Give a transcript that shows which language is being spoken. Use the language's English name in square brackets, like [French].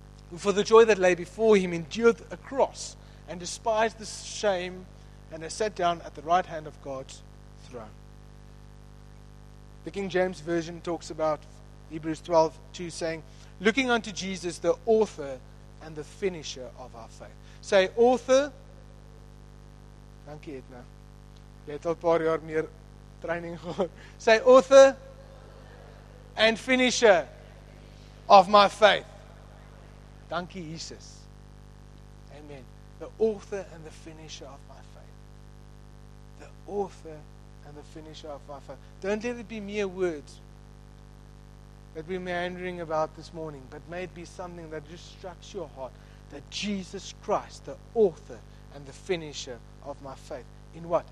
[English] Who for the joy that lay before him endured a cross and despised the shame and has sat down at the right hand of God's throne. The King James Version talks about Hebrews 12:2 saying, looking unto Jesus, the author and the finisher of our faith. Say, author. Thank you, Edna. [Afrikaans] Jy het al paar jaar meer training gehad. [English] Say author and finisher of my faith. [Afrikaans] Dankie Jesus. [English] Amen. The author and the finisher of my faith. The author and the finisher of my faith. Don't let it be mere words that we're meandering about this morning, but may it be something that just strikes your heart, that Jesus Christ, the author and the finisher of my faith, in what?